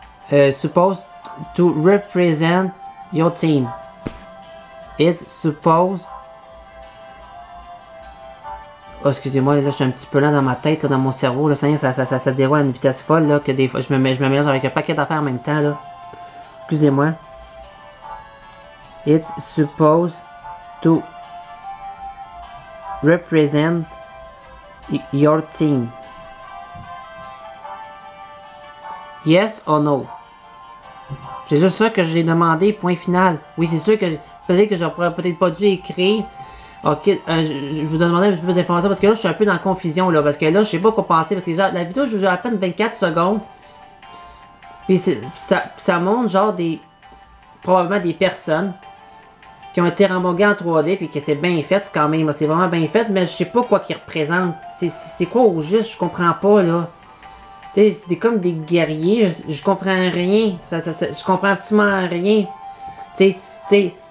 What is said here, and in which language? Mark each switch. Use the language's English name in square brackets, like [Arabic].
[English] Suppose to represent your team. It's suppose. [French] Oh, excusez-moi, là, je suis un petit peu là dans ma tête, là, dans mon cerveau, là, ça déroule à une vitesse folle, là, que des fois, je me mélange avec un paquet d'affaires en même temps, là. Excusez-moi. [English] It's supposed to represent your team. Yes or no? [French] C'est juste ça que j'ai demandé, point final. Oui, c'est sûr que peut-être que j'aurais peut-être pas dû écrire. Ok, je vous demander un petit peu d'informations parce que là je suis un peu dans la confusion là, parce que là je sais pas quoi penser parce que genre, la vidéo je joue à peine 24 secondes puis ça montre genre des probablement des personnes qui ont été rembogées en 3D puis que c'est bien fait quand même là, c'est vraiment bien fait mais je sais pas quoi qu'ils représentent, c'est quoi au juste, je comprends pas là, tu sais c'est comme des guerriers, je comprends rien, je comprends absolument rien, tu sais.